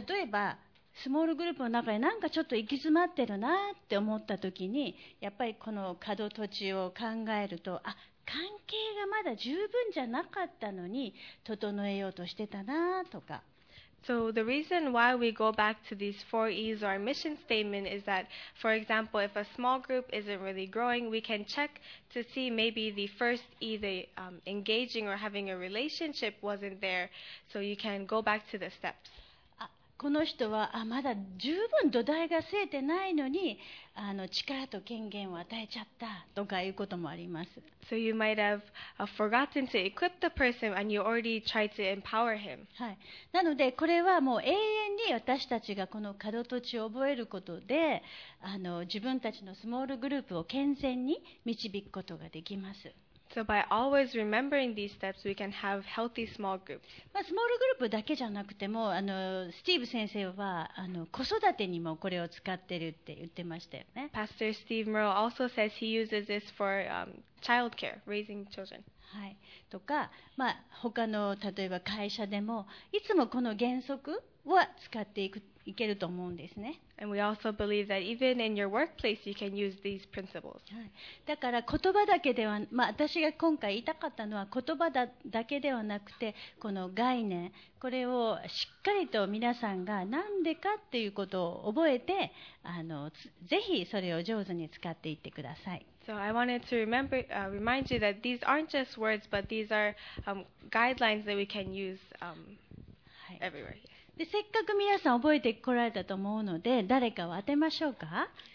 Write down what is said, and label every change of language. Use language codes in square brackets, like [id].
[ja] ばスモールグループの中でなんかちょっと行き詰まってるなって思った時に、やっぱりこの角土地を考えると、あ、関係がまだ十分じゃなかったのに整えようとしてたなとか。 [en] So the reason why we go back to these 4Es or our mission statement is that, for example, if a small group isn't really growing, we can check to see maybe the first E, the engaging or having a relationship wasn't there. So you can go back to the steps. [ja] この人はまだ十分土台が据えてないのに力と権限を与えちゃったとかいうこともあります。 [en] So you might have forgotten to equip the person and you already tried to empower him. [ja] はい。なのでこれはもう永遠に私たちがこの角土地を覚えることで自分たちのスモールグループを健全に導くことができます。 [en] So by always remembering these steps, we can have healthy small groups. [ja] まあ、スモールグループだけじゃなくても、スティーブ先生は子育てにもこれを使ってるって言ってましたよね。 [en] Pastor Steve Merle also says he uses this for childcare, raising children. [ja] はい。とか、まあ、他の例えば会社でもいつもこの原則は使っていく。いけると思うんですね。 [en] And we also believe that even in your workplace, you can use these principles. [ja] はい。だから言葉だけでは、まあ私が今回言いたかったのは言葉だけではなくて、この概念、これをしっかりと皆さんが何でかっていうことを覚えて、ぜひそれを上手に使っていってください。 [en] So I wanted to remind you that these aren't just words, but these are guidelines that we can use everywhere. [ja] はい。でせっかく皆さん覚えてこられたと思うので、誰かを当てましょうか。